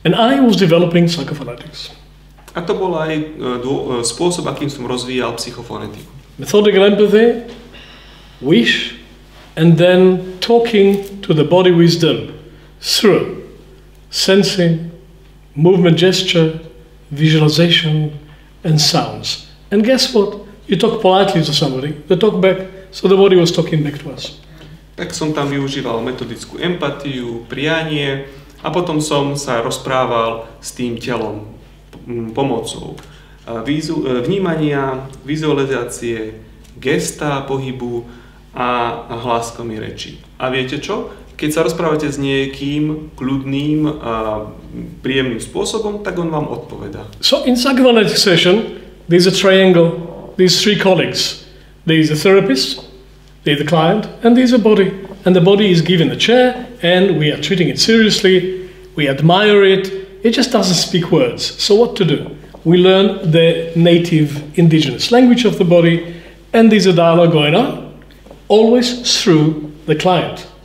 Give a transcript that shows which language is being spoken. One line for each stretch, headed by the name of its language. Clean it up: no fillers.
English: And I was developing psychophonetics.
Slovak: A to bol aj spôsob, akým som rozvíjal psychofonetiku.
English: Methodical empathy, wish, and then talking to the body wisdom through sensing, movement, gesture, visualization, and sounds. And guess what? You talk politely to somebody, they talk back, so the body was talking back to us.
Slovak: Tak som tam využíval metodickú empatiu, prianie a potom som sa rozprával s tým telom pomocou vnímania, vizualizácie, gesta, pohybu a hláskom i reči. A viete čo? Keď sa rozprávate s niekým kľudným a príjemným spôsobom, tak on vám odpovedá.
English: So in psychoanalytic session, there's a triangle, there's three colleagues. There's a therapist, there's the client, and there's a body. And the body is given a chair, and we are treating it seriously, we admire it, it just doesn't speak words. So what to do? We learn the native indigenous language of the body, and there's a dialogue going on, always through the client.